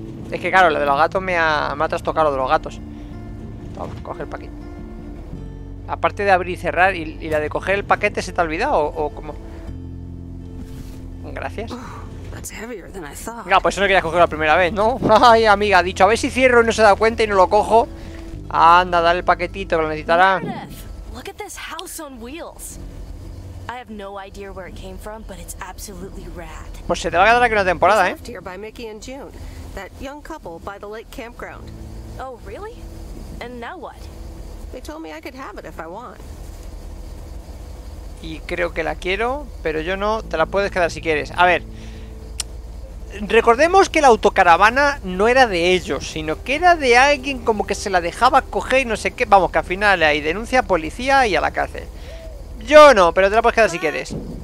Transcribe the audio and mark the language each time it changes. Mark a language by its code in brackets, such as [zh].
[es] Es que claro, lo de los gatos me ha trastocado lo de los gatos. Vamos, coge el paquete. Aparte de abrir y cerrar y la de coger el paquete, ¿se te ha olvidado o cómo? Gracias. Venga, claro, pues eso no quería coger la primera vez, ¿no? Ay, amiga, ha dicho, a ver si cierro y no se da cuenta y no lo cojo. Anda, dale el paquetito, lo necesitará. [en] I have no idea where it came from, but it's absolutely rad. [es] Pues se te va a quedar aquí una temporada, ¿eh? [en] Here by Mickey and June. that young couple by the lake campground. Oh, really? And now what? They told me I could have it if I want. [es] Y creo que la quiero, pero yo no. Te la puedes quedar si quieres. A ver, recordemos que la autocaravana no era de ellos, sino que era de alguien como que se la dejaba coger y no sé qué. Vamos, que al final hay denuncia a policía y a la cárcel. Yo no, pero te la puedes quedar si quieres.